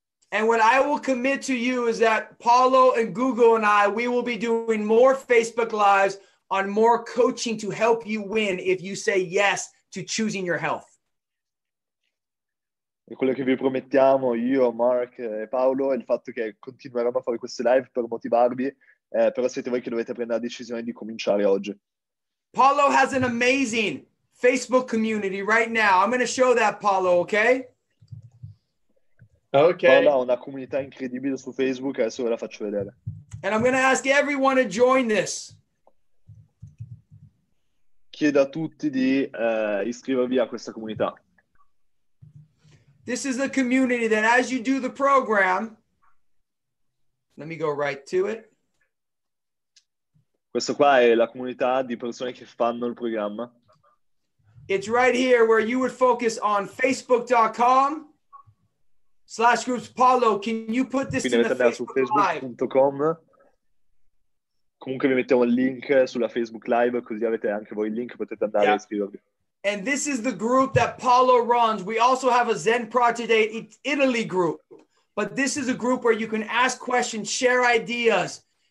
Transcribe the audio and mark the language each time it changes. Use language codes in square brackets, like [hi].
[en] And what I will commit to you is that Paolo and Google and I, we will be doing more Facebook Lives on more coaching to help you win if you say yes to choosing your health. [it] E quello che vi promettiamo io, Mark e Paolo è il fatto che continueremo a fare queste live per motivarvi. Però siete voi che dovete prendere la decisione di cominciare oggi. [en] Paolo has an amazing Facebook community right now. I'm going to show that, Paolo, okay? Okay. [it] Paolo ha una comunità incredibile su Facebook, adesso ve la faccio vedere. [en] And I'm going to ask everyone to join this. [it] Chiedo a tutti di iscrivervi a questa comunità. [en] This is the community that as you do the program, let me go right to it. [it] Questo qua è la comunità di persone che fanno il programma. [en] It's right here where you would focus on facebook.com/groups. Paolo, can you put this in the Facebook [it] su facebook.com. [en] Live? [it] Comunque vi mettiamo il link sulla Facebook Live, così avete anche voi il link, potete andare a iscrivervi. [en] And this is the group that Paolo runs. We also have a Zen Project Italy group. But this is a group where you can ask questions, share ideas,